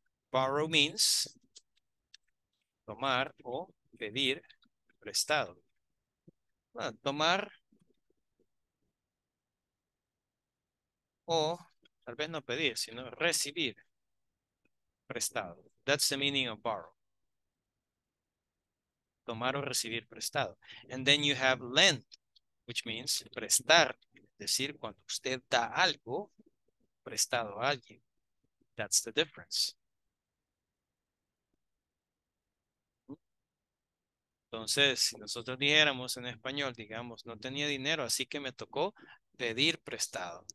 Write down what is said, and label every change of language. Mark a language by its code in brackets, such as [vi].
[en] Borrow means [es] tomar o pedir prestado. Bueno, tomar o tal vez no pedir, sino recibir prestado. [en] That's the meaning of borrow. [es] Tomar o recibir prestado. [en] And then you have lend, which means prestar. [es] Es decir, cuando usted da algo prestado a alguien. [en] That's the difference. [es] Entonces, si nosotros dijéramos en español, digamos, no tenía dinero, así que me tocó pedir prestado.